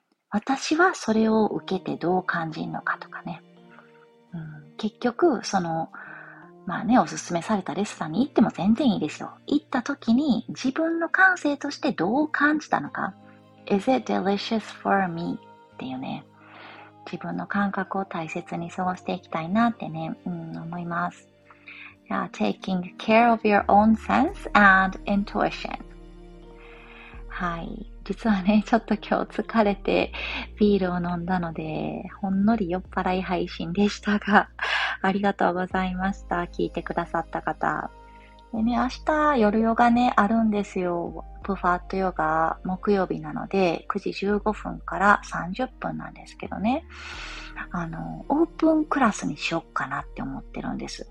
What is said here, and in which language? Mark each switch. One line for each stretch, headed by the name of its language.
Japanese: 私はそれを受けてどう感じるのかとかね、結局そのまあねおすすめされたレストランに行っても全然いいですよ。行った時に自分の感性としてどう感じたのか、
English: Is it delicious for me?
Japanese: っていうね。自分の感覚を大切に過ごしていきたいなってね、思います。
English: Yeah, taking care of your own sense and intuition.
Japanese: はい。実はね、ちょっと今日疲れてビールを飲んだので、ほんのり酔っ払い配信でしたが、ありがとうございました。聞いてくださった方。でね、明日夜ヨガね、あるんですよ。プファットヨガ木曜日なので9時15分から30分なんですけどね、オープンクラスにしよっかなって思ってるんです。